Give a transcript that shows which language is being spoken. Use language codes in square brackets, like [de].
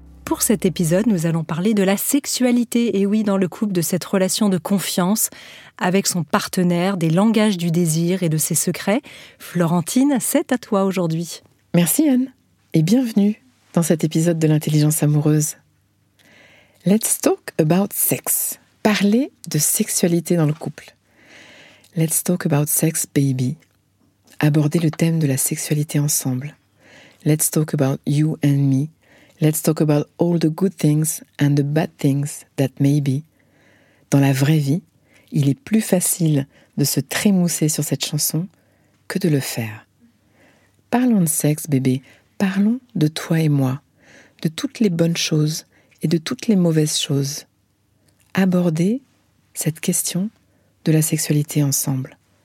[fr] Pour cet épisode, nous allons parler de la sexualité, et oui, dans le couple, de cette relation de confiance avec son partenaire, des langages du désir et de ses secrets. Florentine, c'est à toi aujourd'hui. Merci Anne, et bienvenue dans cet épisode de l'intelligence amoureuse. [en] Let's talk about sex. [fr] Parler de sexualité dans le couple. [en] Let's talk about sex, baby. [fr] Aborder le thème de la sexualité ensemble. [en] Let's talk about you and me. Let's talk about all the good things and the bad things that may be. [fr] Dans la vraie vie, il est plus facile de se trémousser sur cette chanson que de le faire. Parlons de sexe, bébé. Parlons de toi et moi, de toutes les bonnes choses et de toutes les mauvaises choses. Aborder cette question de la sexualité ensemble.